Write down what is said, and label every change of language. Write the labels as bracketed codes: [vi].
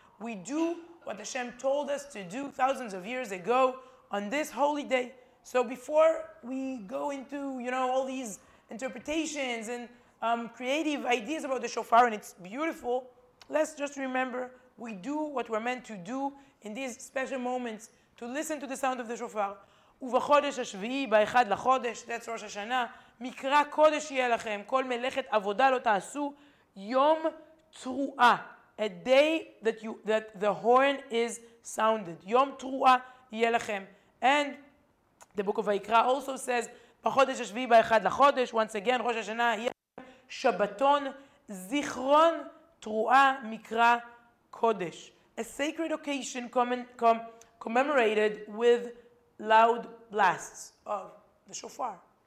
[en] We do what Hashem told us to do thousands of years ago on this holy day. So before we go into, you know, all these interpretations and creative ideas about the shofar, and it's beautiful. Let's just remember, we do what we're meant to do in these special moments, to listen to the sound of the shofar. [he] ובחודש השביעי, באחד לחודש, [en] that's Rosh Hashanah, [he] מקרא קודש יהיה לכם, כל מלאכת עבודה לא תעשו, יום תרועה, [en] a day that the horn is sounded. [he] יום תרועה יהיה לכם. [en] And the book of Vayikra also says, [he] בחודש השביעי, באחד לחודש, [en] once again, Rosh Hashanah, [he] שבתון, זיכרון, תרועה, מקרא, קודש. [en] A sacred occasion commemorated with loud blasts of the shofar.